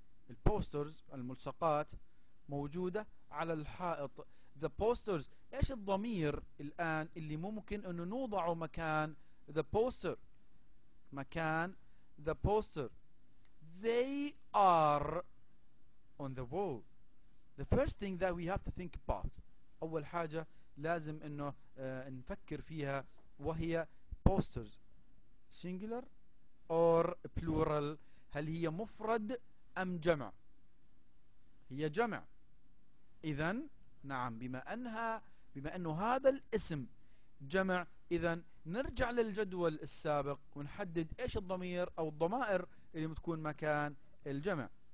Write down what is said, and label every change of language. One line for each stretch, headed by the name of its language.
Arabic: البوسترز الملصقات موجودة على الحائط.
English: The posters.
Arabic: إيش الضمير الآن اللي ممكن أنه نوضعه مكان the poster؟ مكان the poster.
English: They are on the wall. The first thing that we have to think about.
Arabic: أول حاجة لازم أنه نفكر فيها وهي posters.
English: Singular or plural.
Arabic: هل هي مفرد أم جمع؟ هي جمع. إذن نعم، بما أنه هذا الاسم جمع، إذن نرجع للجدول السابق ونحدد إيش الضمير أو الضمائر اللي بتكون مكان الجمع.